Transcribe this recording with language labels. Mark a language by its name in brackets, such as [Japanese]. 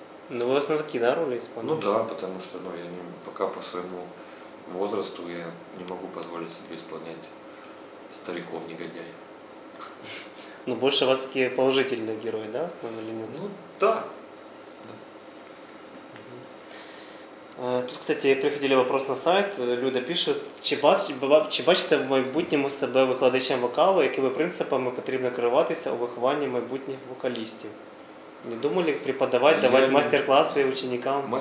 [Russian] Ну, вы в основном такие, да, роли исполняете? Ну да, потому что ну, я не, пока по своему возрасту я не могу позволить себе исполнять стариков-негодяев. Ну, больше у вас такие положительные герои, да, в основном или нет? Ну, да. Тут, кстати, приходили вопрос на сайт, Люда пишет, [Ukrainian] чи бачите в майбутньому себе викладачем вокалу, якими принципами потрібно керуватися у вихованні майбутніх вокалістів? [Russian] Не думали преподавать, давать я мастер-класси ученикам?